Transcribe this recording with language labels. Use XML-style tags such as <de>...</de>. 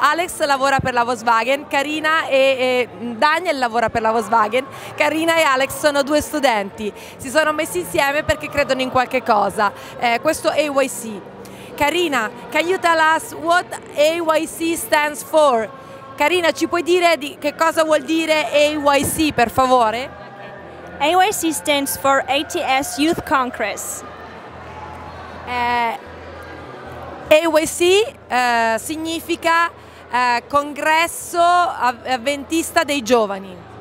<it>Alex lavora per la Volkswagen, Karina e Daniel lavora per la Volkswagen, Karina e Alex sono due studenti, si sono messi insieme perché credono in qualche cosa, questo AYC.</it> <en>Karina, can you tell us what AYC stands for?</en> <it>Karina, ci puoi dire di che cosa vuol dire AYC, per favore?</it> <en>AYC stands for ATS Youth Congress.</en> <it>AYC significa Congresso Avventista dei Giovani.</it>